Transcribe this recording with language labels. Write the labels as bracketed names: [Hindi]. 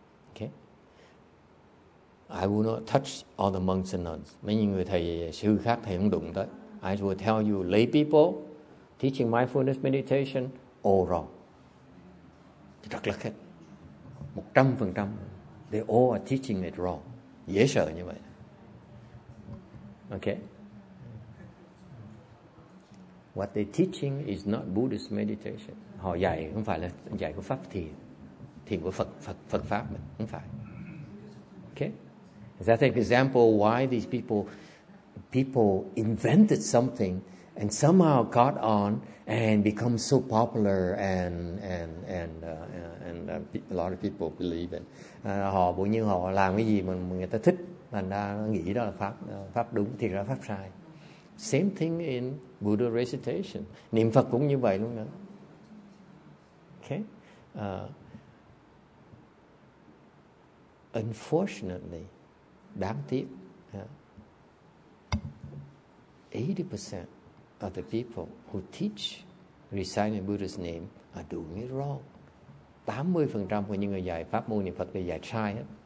[English] Okay. I will not touch all the monks and nuns. [Vietnamese] Mấy người thầy sư khác thầy không đụng tới. [English] I will tell you lay people teaching mindfulness meditation all wrong. [Vietnamese] Chỉ trật lất hết. 100%. [English] They all are teaching it wrong. [Vietnamese] Dễ sợ như vậy. Okay. [English] What they teaching is not Buddhist meditation. [Vietnamese] Họ dạy không phải là dạy của pháp thiền, thiền của Phật pháp mà không phải. [English] Okay. That's an example why these people invented something and somehow caught on and become so popular and a lot of people believe it. [Vietnamese] Họ bỗng nhiên họ làm cái gì mà người ta thích, thành ra nghĩ đó là pháp đúng, thiệt ra pháp sai. [English] Same thing in Buddha recitation. [Vietnamese] Niệm Phật cũng như vậy luôn đó. [English] Okay. Unfortunately, [Vietnamese] đáng tiếc, [English] 80% of the people who teach reciting Buddha's name are doing it wrong. [Vietnamese] 80% của những người dạy pháp môn niệm Phật là dạy sai hết.